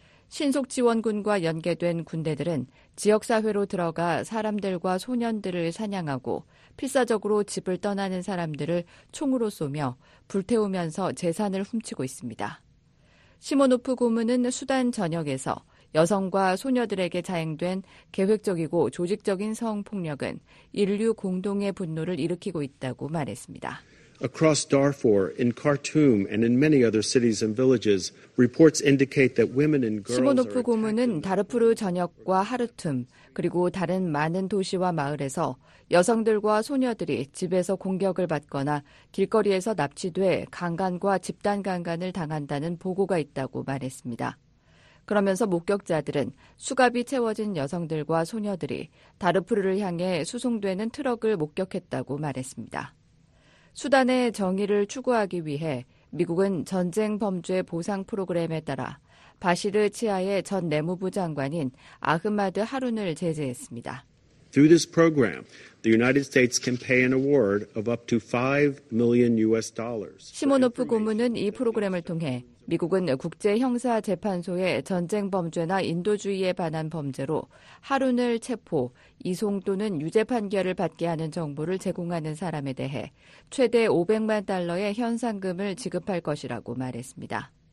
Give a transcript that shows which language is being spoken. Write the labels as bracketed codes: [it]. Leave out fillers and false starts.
[ko] 신속지원군과 연계된 군대들은 지역사회로 들어가 사람들과 소년들을 사냥하고 필사적으로 집을 떠나는 사람들을 총으로 쏘며 불태우면서 재산을 훔치고 있습니다. 시모노프 고문은 수단 전역에서 여성과 소녀들에게 자행된 계획적이고 조직적인 성폭력은 인류 공동의 분노를 일으키고 있다고 말했습니다. [en] Across Darfur, in Khartoum, and in many other cities and villages, reports indicate that women and girls are attacked. [ko] 시모노프 고문은 다르푸르 전역과 하르툼 그리고 다른 많은 도시와 마을에서 여성들과 소녀들이 집에서 공격을 받거나 길거리에서 납치돼 강간과 집단 강간을 당한다는 보고가 있다고 말했습니다. 그러면서 목격자들은 수갑이 채워진 여성들과 소녀들이 다르푸르를 향해 수송되는 트럭을 목격했다고 말했습니다. 수단의 정의를 추구하기 위해 미국은 전쟁 범죄 보상 프로그램에 따라 바시르 치아의 전 내무부 장관인 아흐마드 하룬을 제재했습니다. [en] Through this program, the United States can pay an award of up to $5 million. [ko] 시모노프 고문은 이 프로그램을 통해 미국은 국제형사재판소의 전쟁범죄나 인도주의에 반한 범죄로 하룬을 체포, 이송 또는 유죄 판결을 받게 하는 정보를 제공하는 사람에 대해 최대 500만 달러의 현상금을 지급할 것이라고 말했습니다.